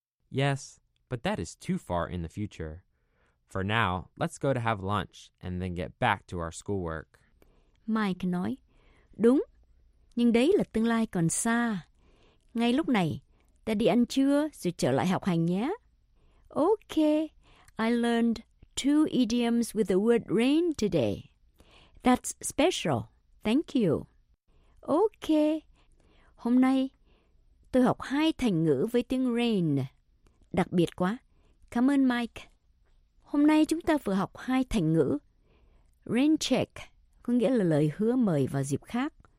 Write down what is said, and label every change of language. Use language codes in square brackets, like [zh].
[en] Yes, but that is too far in the future. For now, let's go to have lunch and then get back to our schoolwork. [vi] Mike nói, đúng, nhưng đấy là tương lai còn xa. Ngay lúc này, ta đi ăn trưa rồi trở lại học hành nhé. [en] Okay, I learned two idioms with the word rain today. That's special. Thank you. [vi] Okay, hôm nay tôi học hai thành ngữ với tiếng rain. Đặc biệt quá. Cảm ơn Mike. Hôm nay chúng ta vừa học hai thành ngữ. Rain check có nghĩa là lời hứa mời vào dịp khác.